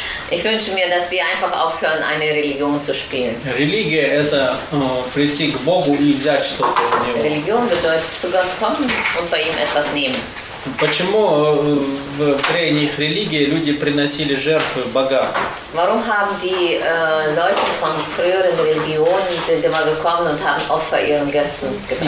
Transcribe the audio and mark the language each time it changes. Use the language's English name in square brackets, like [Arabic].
[German] Ich wünsche mir, dass wir einfach aufhören, eine Religion zu spielen. [Russian] Religion, это прийти к Богу и взять что-то у него. [German] Religion bedeutet zu Gott kommen und bei ihm etwas nehmen. [Russian] Почему в древних религиях люди приносили жертвы богам? [German] Warum haben die Leute von früheren Religionen sind immer gekommen und haben Opfer ihren Götzen gebracht?